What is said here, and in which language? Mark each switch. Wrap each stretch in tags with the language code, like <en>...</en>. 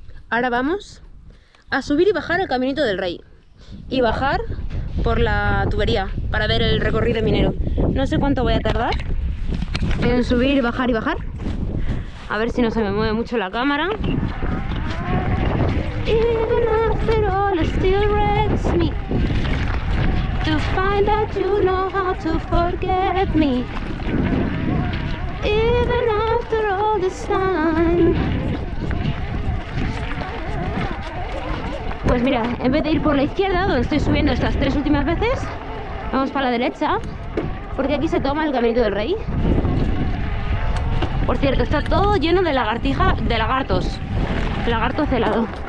<es>Ahora vamos a subir y bajar al Caminito del Rey. Y bajar por la tubería para ver el recorrido minero. No sé cuánto voy a tardar en subir y bajar y bajar. A ver si no se me mueve mucho la cámara.</es> <en>Even after all, it still wrecks me to find that you know how to forget me. Even after all this time.</en> <es>Pues mira, en vez de ir por la izquierda, donde estoy subiendo estas tres últimas veces, vamos para la derecha, porque aquí se toma el Caminito del Rey. Por cierto, está todo lleno de lagartos. Lagarto celado.</es>